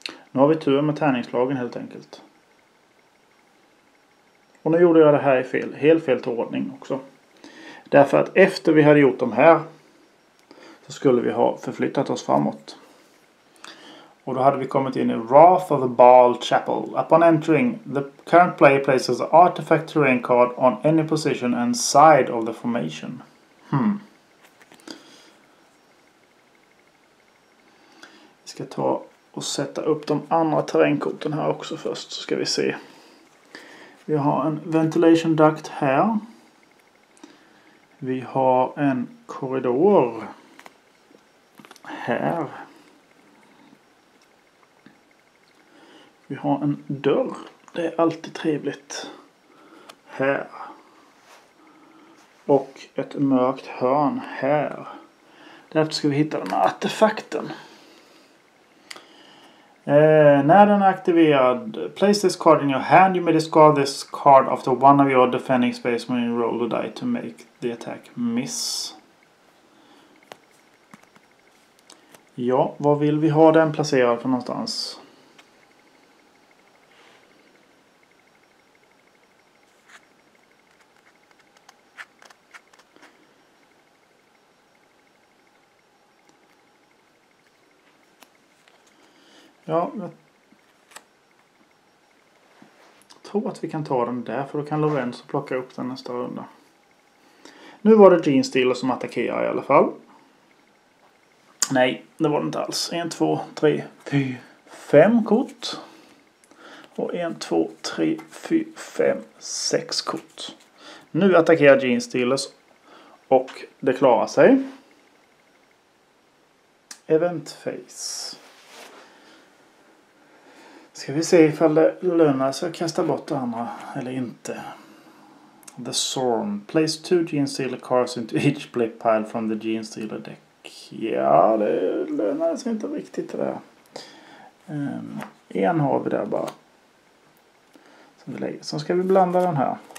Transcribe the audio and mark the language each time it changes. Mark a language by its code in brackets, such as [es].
[sv] Nu har vi tur med tärningslagen helt enkelt. Och nu gjorde jag det här i fel. Helt fel ordning också. Därför att efter vi hade gjort de här. så skulle vi ha förflyttat oss framåt. Och då hade vi kommit in i Wrath of the Baal Chapel. [en] Upon entering, the current player places an artifact terrain card on any position and side of the formation. [sv] Vi ska ta och sätta upp de andra terrängkorten här också först, så ska vi se. Vi har en ventilation duct här. Vi har en korridor här. Vi har en dörr. Det är alltid trevligt. Här. Och ett mörkt hörn här. Därför ska vi hitta den här artefakten. När den är aktiverad, [en] place this card in your hand. You may discard this card after one of your defending space when you roll the die to make the attack miss. [sv] Ja, var vill vi ha den placerad för någonstans? Ja, jag tror att vi kan ta den där, för då kan Lorenzo plocka upp den nästa runda. Nu var det Gene Steeler som attackerar i alla fall. Nej, det var det inte alls. 1, 2, 3, 4, 5 kort. Och 1, 2, 3, 4, 5, 6 kort. Nu attackerar Gene Steeler och det klarar sig. [en] Event phase. [sv] Ska vi se ifall det lönar sig att kasta bort det andra eller inte. [en] The Sorn. Place two Gene Steeler cards into each play pile from the Gene Steeler deck. [sv] Ja, det lönar sig inte riktigt det där. En har vi där bara. Som vi lägger. Så ska vi blanda den här.